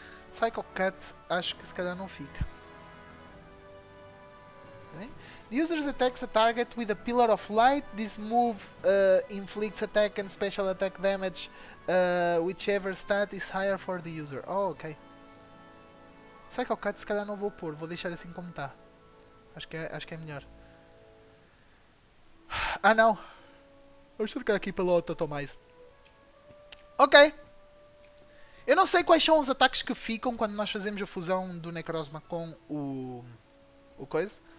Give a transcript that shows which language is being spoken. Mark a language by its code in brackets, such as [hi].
[pt] Psycho Cut, acho que se calhar não fica. [en] The user attacks a target with a pillar of light. This move inflicts attack and special attack damage, whichever stat is higher for the user. Oh, ok. [pt] Psycho Cut se calhar não vou pôr, vou deixar assim como está. Acho que é melhor. Ah não! Vou trocar aqui pelo Automize. Ok! Eu não sei quais são os ataques que ficam quando nós fazemos a fusão do Necrozma com o coisa.